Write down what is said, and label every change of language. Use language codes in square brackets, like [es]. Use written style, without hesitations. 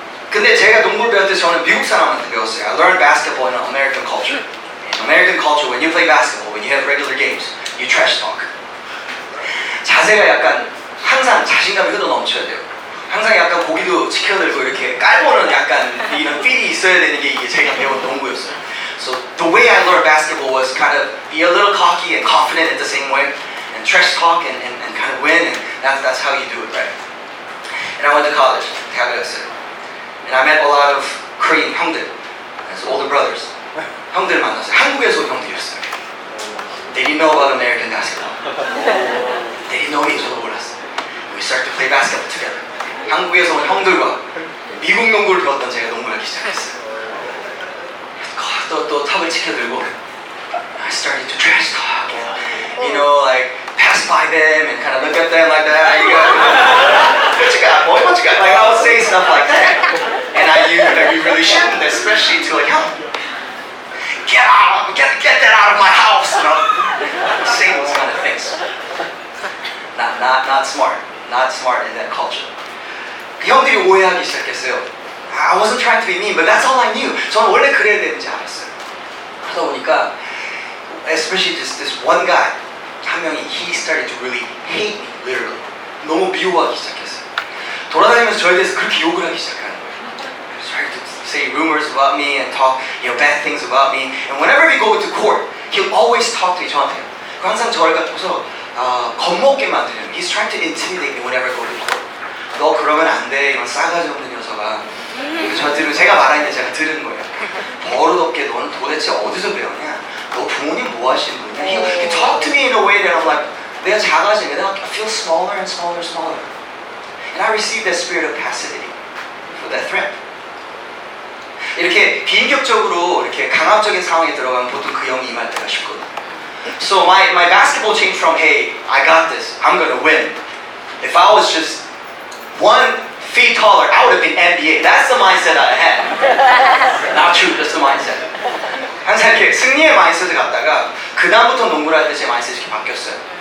[ko] 근데 제가 농구를 배울 때 저는 미국 사람한테 배웠어요. [en] I learned basketball in American culture. In American culture, when you play basketball, when you have regular games, you trash talk. [ko] 자세가 약간 항상 자신감이 흘러넘쳐야 돼요. 항상 약간 고기도 치켜들고 이렇게 깔보는 약간 이런 필이 있어야 되는 게 이게 제가 배운 농구였어요. [en] So the way I learned basketball was kind of be a little cocky and confident at the same way and trash talk and kind of win and that's how you do it, right? And I went to college, [ko] 대학을 갔어요. [en] And I met a lot of Korean 형들, as older brothers. [ko] 형들을 만났어요. 한국에서 형들이었어요. [en] They didn't know about American basketball. They didn't know me, [ko] 저도 몰랐어요. [en] We started to play basketball together. [ko] 한국에서 온 형들과 미국 농구를 배웠던 제가 농구를 하기 시작했어요. 또 탑을 치켜들고 [en] I started to trash talk and, you know, like pass by them and kind of look at them like that. What you got? What you got? What you got? Like, I would say stuff like that. And I used that we really shouldn't, especially to like, huh? Get that out of my house, you know? Saying those kind of things. Not smart. Not smart in that culture. [ko] 형들이 오해하기 시작했어요. [en] I wasn't trying to be mean, but that's all I knew. [ko] 저는 원래 그래야 되는지 알았어요. 하다 보니까, [en] especially this one guy, [ko] 한 명이, [en] he started to really hate me, literally. [ko] 너무 미워하기 시작했어요. 돌아다니면서 저에 대해서 그렇게 욕을 하기 시작하는 거예요. [en] He started to say rumors about me and talk, you know, bad things about me. And whenever we go to court, he'll always talk to me, [ko] 저한테. 항상 저를 보고서 겁먹게 만드는, [en] he's trying to intimidate me whenever I go to court. [ko] 너 그러면 안 돼, 이런 싸가지 없는 녀석아. 저들은 제가 말하는데 제가 들은 거예요. 버릇없게 넌 도대체 어디서 배웠냐? 너 부모님 뭐 하시는 분이야? [en] He talked to me in a way that I'm like, [ko] 내가 작아지면 [en] I feel smaller and smaller and smaller. And I receive that spirit of passivity for that threat. [ko] 이렇게 비인격적으로 이렇게 강압적인 상황에 들어가면 보통 그 영이 임할 때가 쉽거든. [en] So my basketball changed from hey, I got this, I'm gonna win. If I was just 1 feet taller, I would have been NBA. That's the mindset I had. Not true, just the mindset. [ko] 항상 이렇게 승리의 마인드를 갖다가 그 다음부터 농구를 할 때 제 마인드가 이렇게 바뀌었어요.